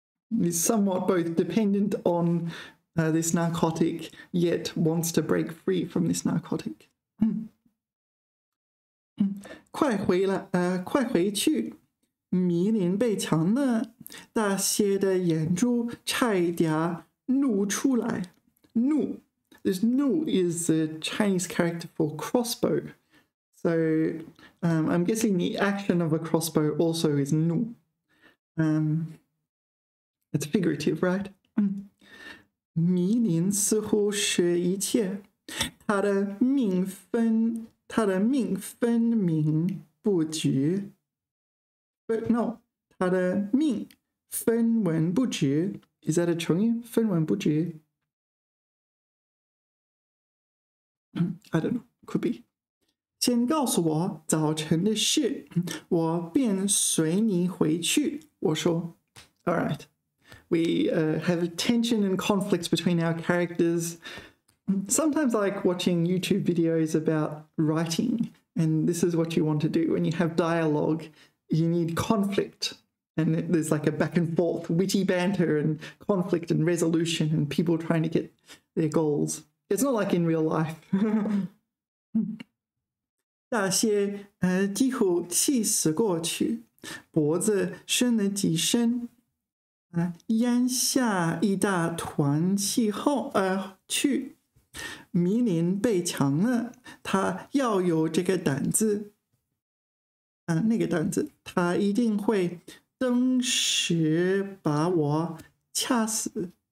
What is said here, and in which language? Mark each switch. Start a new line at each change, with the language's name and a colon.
English: He's somewhat both dependent on this narcotic, yet wants to break free from this narcotic.
Chinese: 快回去！迷林被抢了，大蟹的眼珠差一点怒出来。怒，
English: this "怒" is the Chinese character for crossbow. So I'm guessing the action of a crossbow also is nu. It's figurative, right?
Chinese: 迷林似乎是一切，他的命分明不绝。
English: But no,
Chinese: 他的命分文不绝。
English: Is that a 成语？
Chinese: 分文不绝。
English: I don't know. Could be.
Chinese: 先告诉我早晨的事，我便随你回去。我说
English: ，All right, we have tension and conflicts between our characters. Sometimes, like watching YouTube videos about writing, and this is what you want to do when you have dialogue. You need conflict, and there's like a back and forth, witty banter, and conflict and resolution, and people trying to get their goals. It's not like in real life.
Chinese: 大蟹几乎气死过去，脖子伸了几伸，咽下一大团气后去。迷林被抢了，他要有这个胆子，那个胆子，他一定会登时把我掐死。